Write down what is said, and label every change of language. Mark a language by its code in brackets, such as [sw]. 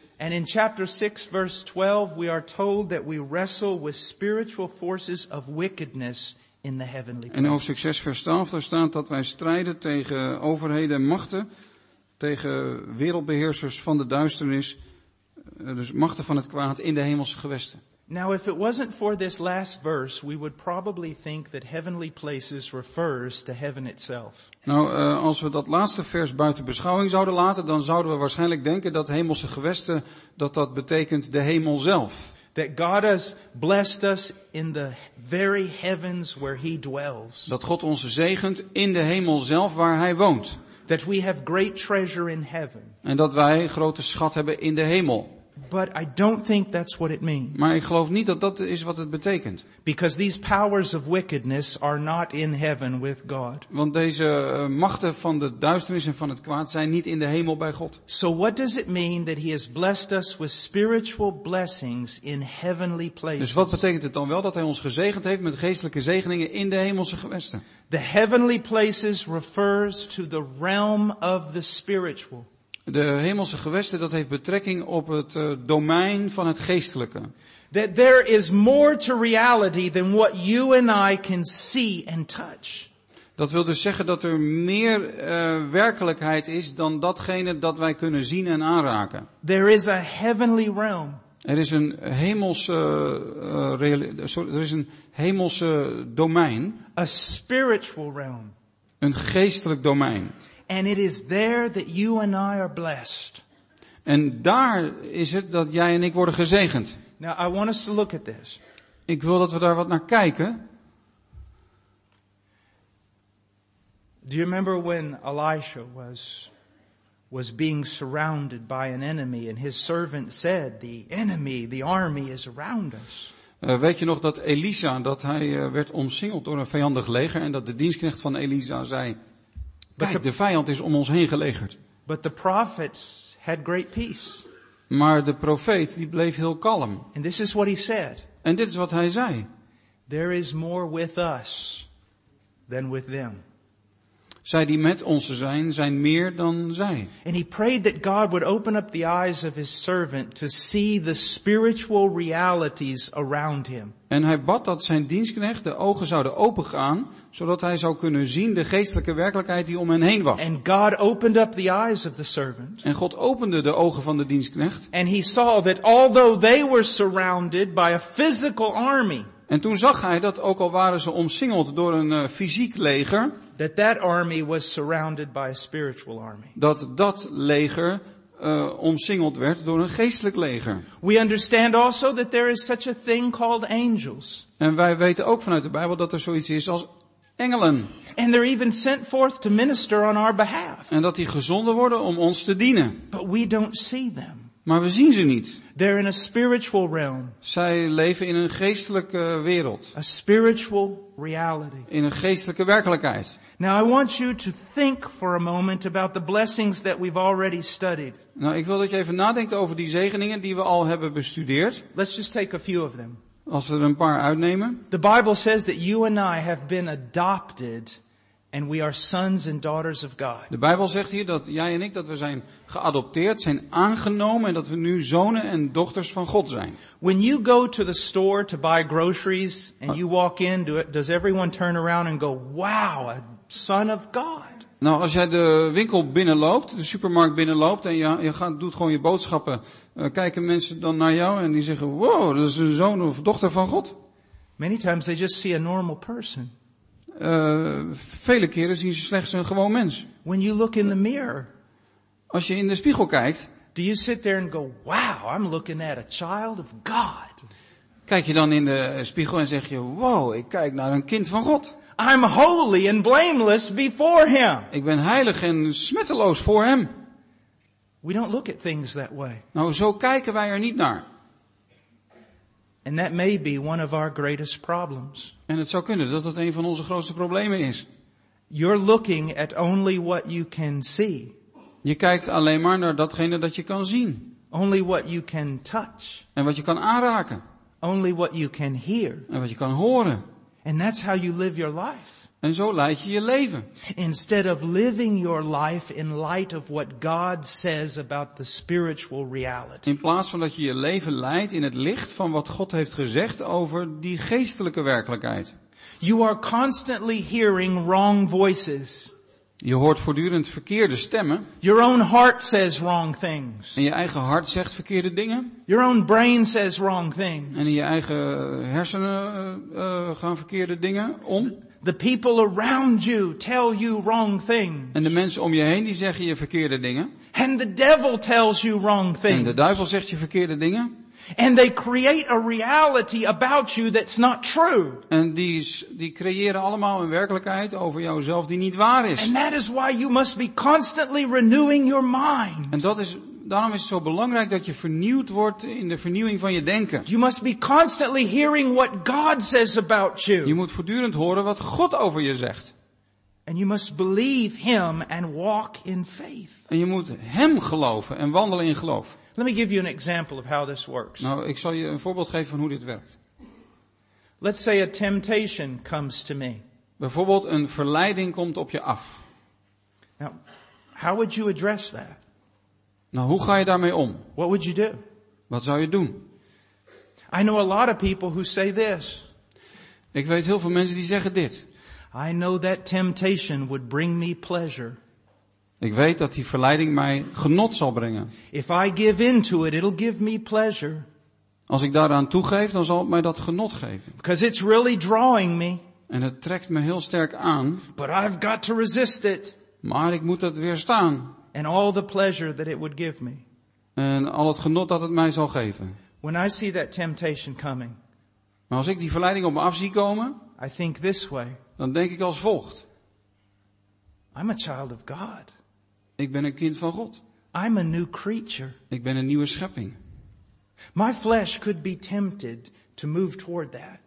[en] And in chapter 6 verse 12 we are told that we wrestle with spiritual forces of wickedness in the heavenly places. [nl] In hoofdstuk 6 vers 12 daar staat dat wij strijden tegen overheden en machten, tegen wereldbeheersers van de duisternis, dus machten van het kwaad in de hemelse gewesten. [en] Now if it wasn't for this last verse we would probably think that heavenly places refers to heaven itself. [nl] Nou, als we dat laatste vers buiten beschouwing zouden laten, dan zouden we waarschijnlijk denken dat hemelse gewesten dat betekent de hemel zelf. [en] That God has blessed us in the very heavens where he dwells. [nl] Dat God ons zegent in de hemel zelf waar hij woont. [en] That we have great treasure in heaven. [nl] En dat wij grote schat hebben in de hemel. [en] But I don't think that's what it means. [nl] Maar ik geloof niet dat dat is wat het betekent. [en] Because these powers of wickedness are not in heaven with God. [nl] Want deze machten van de duisternis en van het kwaad zijn niet in de hemel bij God. [en] So what does it mean that he has blessed us with spiritual blessings in heavenly places? [nl] Dus wat betekent het dan wel dat hij ons gezegend heeft met geestelijke zegeningen in de hemelse gewesten? [en] The heavenly places refers to the realm of the spiritual. [nl] De hemelse gewesten, dat heeft betrekking op het domein van het geestelijke. [en] That there is more to reality than what you and I can see and touch. [nl] Dat wil dus zeggen dat er meer werkelijkheid is dan datgene dat wij kunnen zien en aanraken. [en] There is a heavenly realm. [nl] Er is een hemelse domein. [en] A spiritual realm. [nl] Een geestelijk domein. [en] And it is there that you and I are blessed. [nl] En daar is het dat jij en ik worden gezegend. [en] Now I want us to look at this. [nl] Ik wil dat we daar wat naar kijken. [en] Do you remember when Elisha was being surrounded by an enemy and his servant said, "The enemy, the army is around us." [nl] Weet je nog dat Elisa, dat hij werd omsingeld door een vijandig leger en dat de dienstknecht van Elisa zei: kijk, de vijand is om ons heen gelegerd. [en] But the prophets had great peace. [nl] Maar de profeet die bleef heel kalm. [en] And this is what he said. [nl] En dit is wat hij zei. [en] There is more with us than with them. [nl] Zij die met ons zijn, zijn meer dan zij. [en] And he prayed that God would open up the eyes of his servant to see the spiritual realities around him. [nl] En hij bad dat zijn dienstknecht de ogen zouden opengaan, zodat hij zou kunnen zien de geestelijke werkelijkheid die om hen heen was. [en] And God opened up the eyes of the servant. [nl] En God opende de ogen van de dienstknecht. [en] And he saw that although they were surrounded by a physical army. [nl] En toen zag hij dat ook al waren ze omsingeld door een fysiek leger. [en] That that army was surrounded by a spiritual army. [nl] Dat dat leger omsingeld werd door een geestelijk leger. [en] We understand also that there is such a thing called angels. [nl] En wij weten ook vanuit de Bijbel dat er zoiets is als engelen. [en] And they're even sent forth to minister on our behalf. [nl] En dat die gezonden worden om ons te dienen. [en] But we don't see them. [nl] Maar we zien ze niet. [en] They're in a spiritual realm. [nl] Zij leven in een geestelijke wereld. [en] A spiritual reality. [nl] In een geestelijke werkelijkheid. [en] Now I want you to think for a moment about the blessings that we've already studied. [nl] Nou, ik wil dat je even nadenkt over die zegeningen die we al hebben bestudeerd. [en] Let's just take a few of them. [nl] Als we er een paar uitnemen. [en] The Bible says that you and I have been adopted and we are sons and daughters of God. [nl] De Bijbel zegt hier dat jij en ik dat we zijn geadopteerd, zijn aangenomen en dat we nu zonen en dochters van God zijn. [en] When you go to the store to buy groceries and you walk in, does everyone turn around and go, "Wow, a son of God"? [nl] Nou, als jij de winkel binnenloopt, de supermarkt binnenloopt en doet gewoon je boodschappen, kijken mensen dan naar jou en die zeggen: "Wow, dat is een zoon of dochter van God." [en] Many times they just see a normal person. [nl] Vele keren zien ze slechts een gewoon mens. [en] When you look in the mirror, [nl] als je in de spiegel kijkt, [en] do you sit there and go, "Wow, I'm looking at a child of God"? [nl] Kijk je dan in de spiegel en zeg je: "Wow, ik kijk naar een kind van God." [en] I'm holy and blameless before him. [nl] Ik ben heilig en smetteloos voor hem. [en] We don't look at things that way. [nl] Nou, zo kijken wij er niet naar. [en] And that may be one of our greatest problems. [nl] En het zou kunnen dat dat een van onze grootste problemen is. [en] You're looking at only what you can see. [nl] Je kijkt alleen maar naar datgene dat je kan zien. [en] Only what you can touch. [nl] En wat je kan aanraken. [en] Only what you can hear. [nl] En wat je kan horen. [en] And that's how you live your life. [nl] En zo leid je je leven. [en] Instead of living your life in light of what God says about the spiritual reality. [nl] In plaats van dat je je leven leidt in het licht van wat God heeft gezegd over die geestelijke werkelijkheid. [en] You are constantly hearing wrong voices. [nl] Je hoort voortdurend verkeerde stemmen. [en] Your own heart says wrong things. [nl] En je eigen hart zegt verkeerde dingen. [en] Your own brain says wrong things. [nl] En in je eigen hersenen gaan verkeerde dingen om. [en] The people around you tell you wrong things. [nl] En de mensen om je heen die zeggen je verkeerde dingen. [en] And the devil tells you wrong things. [nl] En de duivel zegt je verkeerde dingen. [en] And they create a reality about you that's not true. [nl] En die creëren allemaal een werkelijkheid over jouzelf die niet waar is. [en] And that is why you must be constantly renewing your mind. [nl] En dat is Daarom is het zo belangrijk dat je vernieuwd wordt in de vernieuwing van je denken. [en] You must be constantly hearing what God says about you. [nl] Je moet voortdurend horen wat God over je zegt. [en] And you must believe him and walk in faith. [nl] En je moet hem geloven en wandelen in geloof. [en] Let me give you an example of how this works. [nl] Nou, ik zal je een voorbeeld geven van hoe dit werkt. [en] Let's say a temptation comes to me. [nl] Bijvoorbeeld een verleiding komt op je af. [en] Now, how would you address that? [nl] Nou, hoe ga je daarmee om? [en] What would you do? [nl] Wat zou je doen? [en] I know a lot of people who say this. [nl] Ik weet heel veel mensen die zeggen dit. [en] I know that temptation would bring me pleasure. [nl] Ik weet dat die verleiding mij genot zal brengen. [en] If I give into it, it'll give me pleasure. [nl] Als ik daaraan toegeef, dan zal het mij dat genot geven. [en] Because it's really drawing me. [nl] En het trekt me heel sterk aan. [en] But I've got to resist it. [nl] Maar ik moet dat weerstaan. [en] And all the pleasure that it would give me. [nl] En al het genot dat het mij zal geven. [en] When I see that temptation coming, [nl] maar als ik die verleiding op me af zie komen, [en] I think this way. [nl] Dan denk ik als volgt. [en] I'm a child of God. [nl] Ik ben een kind van God. [en] I'm a new creature. [nl] Ik ben een nieuwe schepping. [en] My flesh could be tempted to move toward that.